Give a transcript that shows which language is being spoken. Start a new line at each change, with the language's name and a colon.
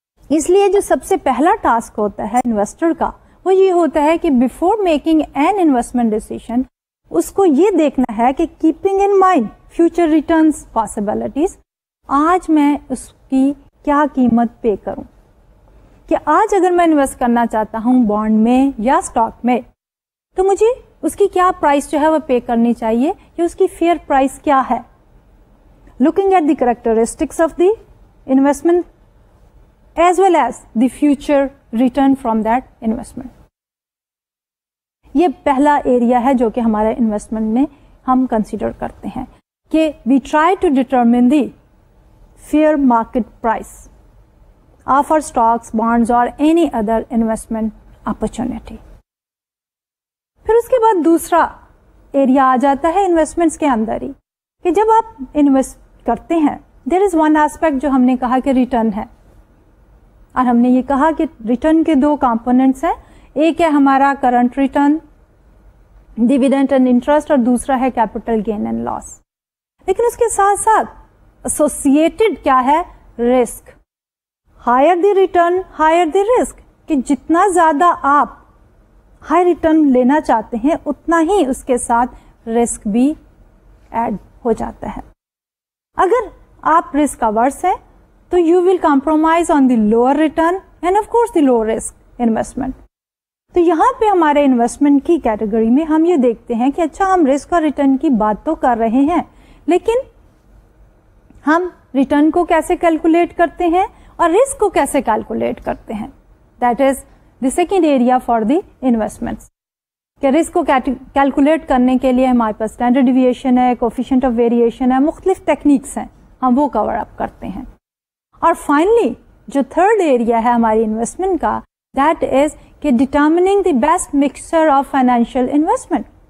Urdu: اس لیے جو سب سے پہلا ٹاسک ہوتا ہے انویسٹر کا وہ یہ ہوتا ہے کہ
English: before making an investment decision
Urdu: اس کو یہ دیکھنا ہے کہ
English: keeping in mind future returns possibilities,
Urdu: آج میں اس کی کیا قیمت پے کروں. کہ آج اگر میں انویسٹ کرنا چاہتا ہوں بانڈ میں یا اسٹاک میں تو مجھے اس کی کیا پرائس جو ہے وہ پے کرنی چاہیے, یا اس کی فیئر پرائس کیا ہے.
English: Looking at the characteristics of the investment as well as the future return from that investment.
Urdu: یہ پہلا ایریا ہے جو کہ ہمارے انویسٹمنٹ میں ہم کنسیڈر کرتے ہیں کہ
English: We try to determine the fair market price of our stocks bonds اور any other investment opportunity.
Urdu: پھر اس کے بعد دوسرا ایریا آ جاتا ہے انویسٹمنٹس کے اندر ہی کہ جب آپ انویسٹ کرتے ہیں
English: there is one aspect
Urdu: جو ہم نے کہا کہ ریٹرن ہے. اور ہم نے یہ کہا کہ ریٹرن کے دو کمپوننٹس ہیں, ایک ہے ہمارا current return dividend and interest اور دوسرا ہے کیپیٹل گین اینڈ لاس. لیکن اس کے ساتھ ساتھ associated کیا ہے risk.
English: Higher the return, higher the risk.
Urdu: کہ جتنا زیادہ آپ high return لینا چاہتے ہیں اتنا ہی اس کے ساتھ risk بھی add ہو جاتا ہے. اگر آپ risk averse ہیں تو
English: you will compromise on the lower return and of course the low risk investment.
Urdu: تو یہاں پہ ہمارے investment کی category میں ہم یہ دیکھتے ہیں کہ اچھا ہم risk اور return کی بات تو کر رہے ہیں لیکن ہم ریٹرن کو کیسے کیلکولیٹ کرتے ہیں اور رسک کو کیسے کیلکولیٹ کرتے ہیں.
English: That is the second area for the investments.
Urdu: کہ رسک کو کیلکولیٹ کرنے کے لیے ہمارے پاس اسٹینڈرڈ ڈیویشن ہے, کوفیشنٹ آف ویریشن ہے, مختلف ٹیکنیکس ہیں, ہم وہ کور اپ کرتے ہیں. اور فائنلی جو تھرڈ ایریا ہے ہماری انویسٹمنٹ کا, دیٹ از کہ
English: Determining the best mixture of financial investment.